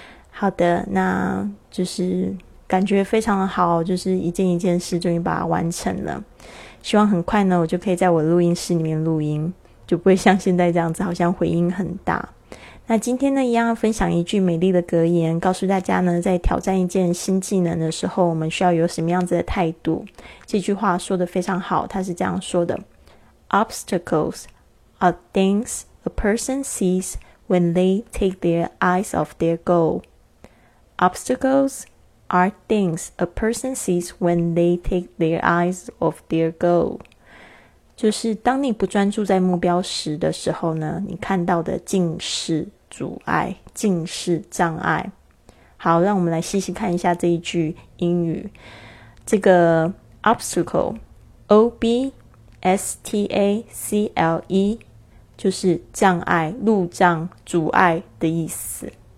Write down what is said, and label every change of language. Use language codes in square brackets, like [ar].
[zh] 好的，那就是感觉非常的好，就是一件一件事终于把它完成了，希望很快呢我就可以在我录音室里面录音，就不会像现在这样子好像回音很大。那今天呢一样分享一句美丽的格言，告诉大家呢在挑战一件新技能的时候我们需要有什么样子的态度。这句话说得非常好，它是这样说的， [en] Obstacles are things a person sees when they take their eyes off their goal. Obstacles are things a person sees when they take their eyes off their goal. [zh] 就是当你不专注在目标时的时候呢，你看到的尽是阻碍，尽是障碍。好，让我们来细细看一下这一句英语。这个 obstacle， O-B-S-T-A-C-L-E， 就是障碍、路障、阻碍的意思。